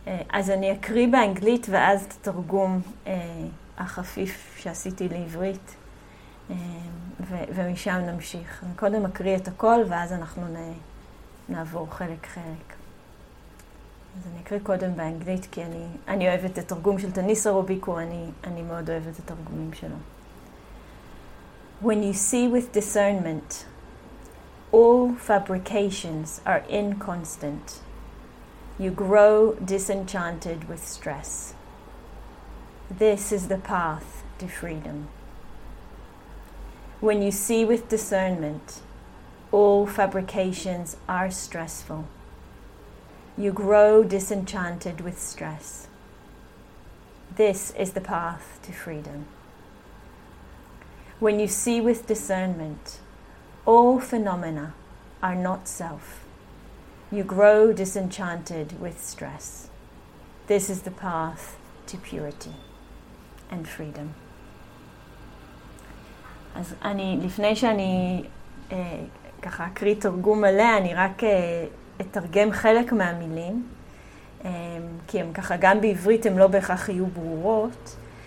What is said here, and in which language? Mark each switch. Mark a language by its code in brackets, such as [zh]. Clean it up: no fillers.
[he] אז אני אקריא באנגלית ואז את התרגום החפיף שעשיתי לעברית. ומשם נמשיך. אני קודם אקריא את הכל, ואז אנחנו נעבור חלק-חלק. אז אני אקריא קודם באנגלית, כי אני אוהבת את התרגום של תניסה רוביקו, אני מאוד אוהבת את התרגומים שלו. [en] When you see with discernment, all fabrications are inconstant. You grow disenchanted with stress. This is the path to freedom. When you see with discernment, all fabrications are stressful. You grow disenchanted with stress. This is the path to freedom. When you see with discernment, all phenomena are not self. You grow disenchanted with stress. This is the path to purity and freedom. [he] אז אני, לפני שאני ככה אקריא תרגום מלא, אני רק אתרגם חלק מהמילים, כי הם ככה גם בעברית הם לא בהכרח יהיו ברורות.